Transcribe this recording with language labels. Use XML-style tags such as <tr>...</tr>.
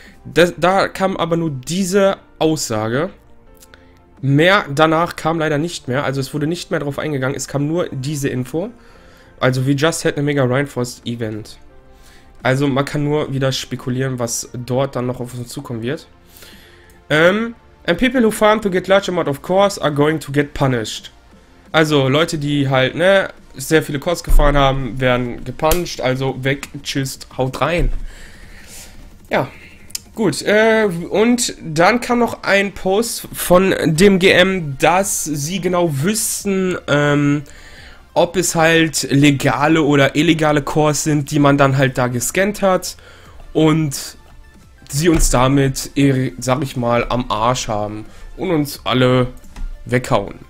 <de>Da kam aber nur diese Aussage. Mehr danach kam leider nicht mehr. Also es wurde nicht mehr darauf eingegangen. Es kam nur diese Info. Also,</de> <en>we just had a Mega Rainforest Event.</en> <de>Also, man kann nur wieder spekulieren, was dort dann noch auf uns zukommen wird.</de> <en>And people who farm to get large amount of cores are going to get punished.</en> <de>Also, Leute, die halt, ne, sehr viele Cores gefahren haben, werden gepuncht. Also, weg, tschüss, haut rein. Ja. Gut, und dann kam noch ein Post von dem GM, dass sie genau wüssten, ob es halt legale oder illegale Cores sind, die man dann halt da gescannt hat und sie uns damit, sag ich mal, am Arsch haben und uns alle weghauen.</de>